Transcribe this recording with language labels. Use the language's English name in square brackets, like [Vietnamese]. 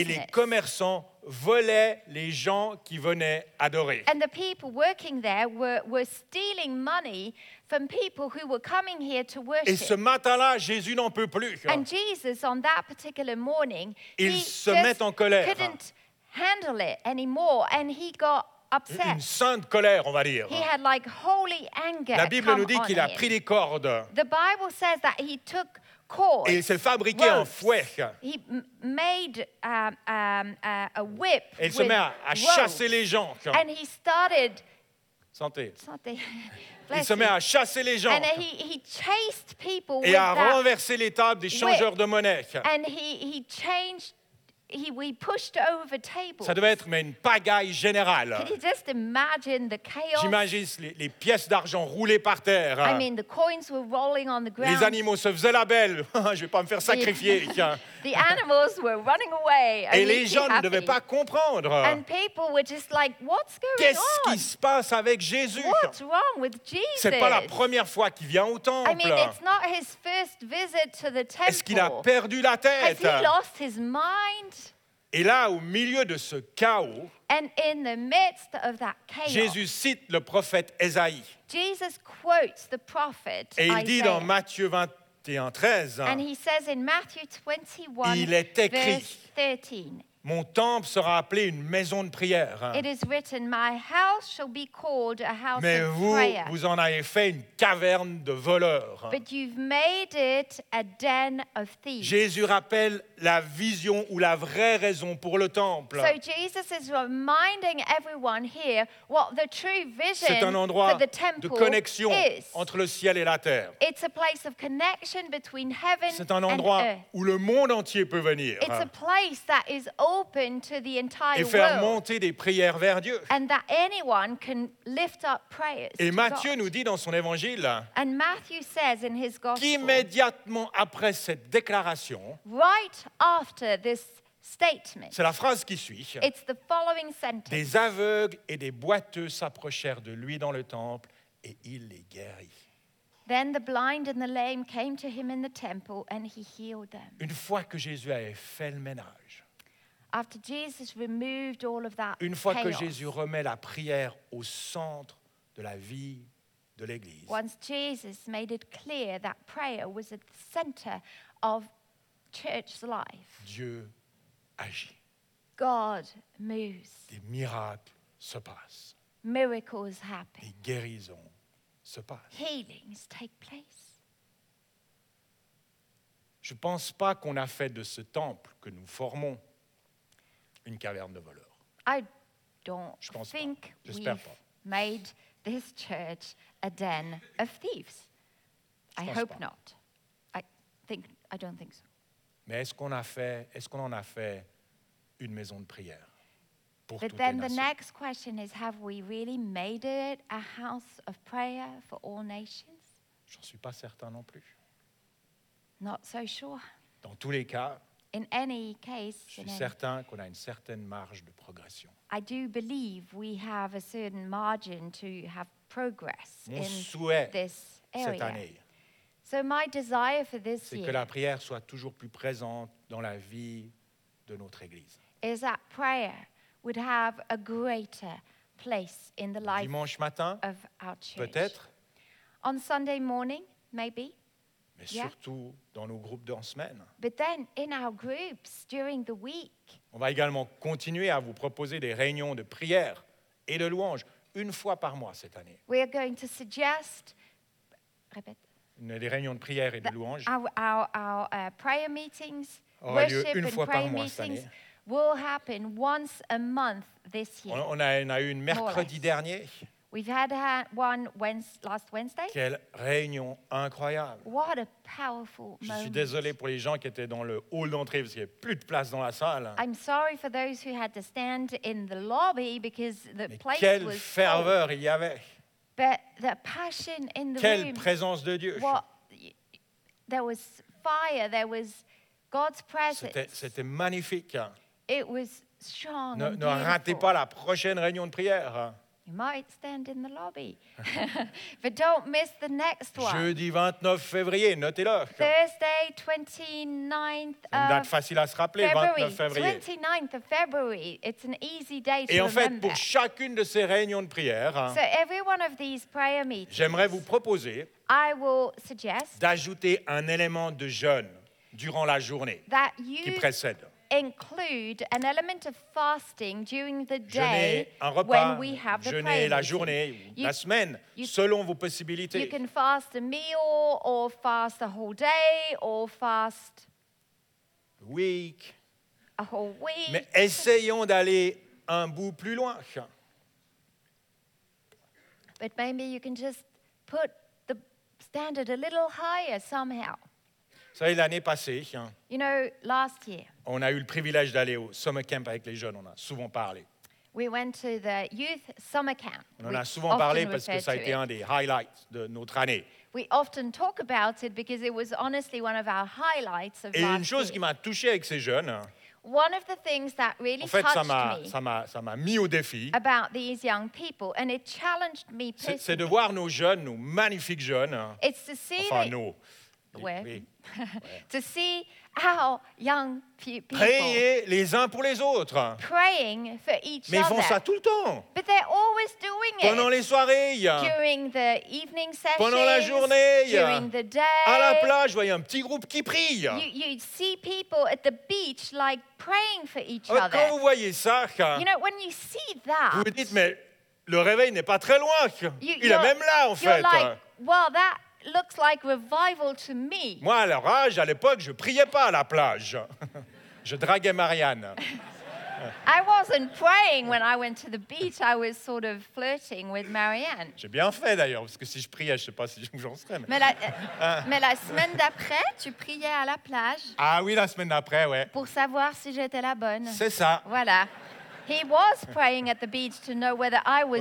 [French] Et les commerçants volaient les gens qui venaient adorer. [English] And the people working there were stealing money from people who were coming here to worship. [French] Et ce matin-là, Jésus n'en peut plus. [English] And Jesus, on that particular morning, [French] il [English] he [French] se met en colère. [English] Couldn't handle it anymore, and he got upset. [French] Une sainte colère, on va dire. [English] He had like holy anger. [French] La Bible [English] come [French] nous dit qu'il [English] him. [French] A pris des cordes. [English] The Bible says that he took cords, [French] et il s'est fabriqué [English] ropes. [French] Un fouet. [English] He made a whip. [French] Et il se met à chasser les gens. [English] And he started. [French] Santé. Santé. Il se met à chasser les gens. [English] And he chased people. people [French] et a renversé les tables des changeurs de monnaie. [English] And he changed. We pushed over tables. [French] Ça devait être mais une pagaille générale. [English] Can you just imagine the chaos? [French] J'imagine les pièces d'argent roulées par terre. [English] I mean, the coins were rolling on the ground. [French] Les animaux se faisaient la belle. Je vais pas me faire sacrifier. [English] The animals were running away. [French] Et les gens ne devaient pas comprendre. [English] And people were just like, what's going on? [French] Qu'est-ce qui se passe avec Jésus? [English] What's wrong with Jesus? [French] C'est pas la première fois qu'il vient au temple. [English] I mean, it's not his first visit to the temple. [French] Est-ce qu'il a perdu la tête? [English] Has he lost his mind? [French] Et là, au milieu de ce chaos, [English] and in the midst of that chaos, [French] Jésus cite le prophète Ésaïe. [English] Jesus quotes the prophet [French] et il [English] Isaiah. [French] Dit dans Matthieu 21, 13, [English] and he says in Matthew 21, [French] il est écrit, [English] verse 13, [French] mon temple sera appelé une maison de prière. [English] It is written, my house shall be called a house [French] mais [English] of [French] vous, [English] prayer. [French] Vous en avez fait une caverne de voleurs. [English] But you've made it a den of thieves. [French] Jésus rappelle la vision ou la vraie raison pour le temple. [English] So Jesus is reminding everyone here what the true vision [French] C'est un endroit de connexion [English] is. [French] Entre le ciel et la terre. [English] It's a place of connection between heaven [French] c'est un endroit [English] and earth. [French] Où le monde entier peut venir. [English] It's a place that is open to the entire [French] et faire Monter des prières vers Dieu. [English] And that anyone can lift up prayers [French] et [English] to [French] Matthieu [English] God. [French] Nous dit dans son évangile [English] and Matthew says in his gospel, [French] qu'immédiatement après cette déclaration [English] right after this statement, [French] c'est la phrase qui suit [English] it's the following sentence, [French] des aveugles et des boiteux s'approchèrent de lui dans le temple et il les guérit. [English] Then the blind and the lame came to him in the temple and he healed them. [French] Une fois que Jésus avait fait le ménage, [English] after Jesus removed all of that [French] une fois [English] chaos, [French] que Jésus remet la prière au centre de la vie de l'Église, [English] once Jesus made it clear that prayer was at the center of church's life, [French] Dieu agit. [English] God moves. [French] Des miracles se passent. [English] Miracles happen. [French] Des guérisons se passent. [English] Healings take place. [French] Je ne pense pas qu'on a fait de ce temple que nous formons une caverne de voleurs. [English] I don't [French] je pense [English] think [French] pas. J'espère [English] we've [French] pas. [English] Made this church a den of thieves. [French] Je [English] I hope [French] pas. [English] Not. I think I don't think so. [French] Mais est-ce qu'on en a fait une maison de prière pour [English] but [French] toutes les [English] nations? The next question is have we really made it a house of prayer for all nations? [French] J'en suis pas certain non plus. [English] Not so sure. [French] Dans tous les cas, [English] in any case, [French] je suis certain qu'on a une certaine marge de progression. [English] I do believe we have a certain margin to have progress [French] mon [English] in this area. [French] Cette année, [English] so my desire for this [French] c'est [English] year, [French] que la prière soit toujours plus présente dans la vie de notre Église. [English] Is that prayer would have a greater place in the life [French] dimanche matin, [English] of our church. [French] Peut-être. [English] On Sunday morning, maybe. [French] Mais surtout [English] yeah. [French] Dans nos groupes de semaine. [English] But then in our groups during the week. [French] On va également continuer à vous proposer des réunions de prière et de louange une fois par mois cette année. [English] We are going to suggest [French] répète. Des réunions de prière et de louange. [English] Our prayer meetings, [French] aura lieu une fois par mois cette année. [English] Will happen once a month this year. [French] On a eu une mercredi dernier. [English] We've had one last Wednesday. [French] Quelle réunion incroyable. [English] What a powerful moment. [French] Je suis désolé pour les gens qui étaient dans le hall d'entrée parce qu'il n'y avait plus de place dans la salle. [English] I'm sorry for those who had to stand in the lobby because the [French] mais [English] place [French] quelle [English] was [French] ferveur [English] full. [French] Il y avait. [English] But the passion in the [French] quelle [English] room. [French] Présence de Dieu. [English] What, there was fire, there was God's presence. [French] C'était magnifique. [English] It was strong [French] ne, [English] and beautiful. [French] Ne ratez pas la prochaine réunion de prière. [English] You might stand in the lobby. But don't miss the next one. [French] Jeudi 29 février, notez-le. [English] Thursday 29th of February. [French] C'est une date facile à se rappeler, 29 février. [English] 29th of February. It's an easy day to remember. [French] Et en fait, pour chacune de ces réunions de prière, [English] so every one of these prayer meetings, [French] j'aimerais vous proposer [English] I will suggest [French] d'ajouter un élément de jeûne durant la journée [English] that you [French] qui précède. [English] Include an element of fasting during the day [French] repas, [English] when we have the [French] jeûner [English] prayer [French] la journée, [English] meeting. [French] La semaine, [English] you, [French] selon vos possibilités. [English] You can fast a meal or fast a whole day or fast a week. A whole week. [French] Mais essayons d'aller un bout plus loin. [English] But maybe you can just put the st- standard a little higher somehow. [French] Vous savez, l'année passée, hein, [English] you know, last year, [French] on a eu le privilège d'aller au summer camp avec les jeunes. On a souvent parlé. [English] We went to the youth summer camp. [French] On en a souvent parlé parce que ça a été un des highlights de notre année. [English] We often talk about it because it was honestly one of our highlights of last year. [French] Et une chose qui m'a touché avec ces jeunes, [English] one of the things that really [French] en fait, [English] touched [French] ça m'a, [English] me [French] ça m'a mis au défi, [English] about these young people, and it challenged me personally. [French] C'est de voir nos jeunes, nos magnifiques jeunes. [English] It's to see [French] enfin, nos, [English] where? [French] Oui. [English] To see our young people [French] prier les uns pour les autres. [English] Praying for each [French] mais ils font [English] other. [French] Ça tout le temps. [English] But they're always doing [French] pendant [English] it. [French] Pendant les soirées. [English] During the evening sessions. [French] Pendant la journée. [English] During the day. [French] À la plage, vous voyez un petit groupe qui prie. [English] You see people at the beach like praying for each [French] quand [English] other. [French] Quand vous voyez ça, [English] you know, when you see that, [French] vous dites, mais le réveil n'est pas très loin. Il est même là, en [English] you're [French] fait. [English] Like, well, that looks like revival to me. [French] Moi, à leur âge, à l'époque, je priais pas à la plage. Je draguais Marianne. [English] I wasn't praying when I went to the beach. I was sort of flirting with Marianne. [French] J'ai bien fait d'ailleurs, parce que si je priais, je sais pas si j'en serais. Mais la semaine d'après, tu priais à la plage. Ah oui, la semaine d'après, ouais. Pour savoir si j'étais la bonne. C'est ça. Voilà. [English] He was praying at the beach to know whether I was